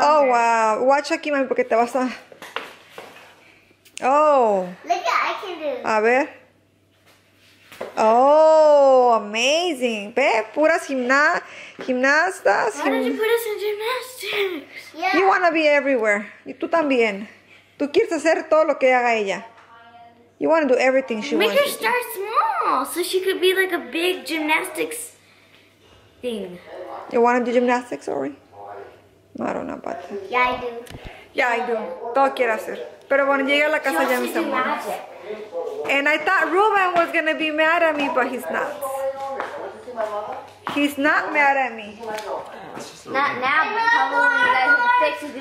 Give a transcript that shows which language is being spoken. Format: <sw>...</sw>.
<en>Oh, wow. Watch</en> <es>aquí, mami, porque te vas a... Oh.</es> <en>Look at I can do.</en> <es>A ver.</es> <en>Oh, amazing.</en> <es>Ve, puras gimnastas.</es> <en>Why don't you put us in gymnastics? Yeah. You want to be everywhere.</en> <es>Y tú también. Tú quieres hacer todo lo que haga ella.</es> <en>You want to do everything she Make wants. Make her start small so she could be like a big gymnastics thing. You want to do gymnastics, Ori? No, I don't know about that. Yeah, I do. Yeah, I do.</en> <es>Todo quiere hacer. Pero bueno, llegué a la casa ya mis amores.</es> <en>And I thought Ruben was going to be mad at me, but he's not. He's not mad at me. Not now, but probably you guys fix his</en>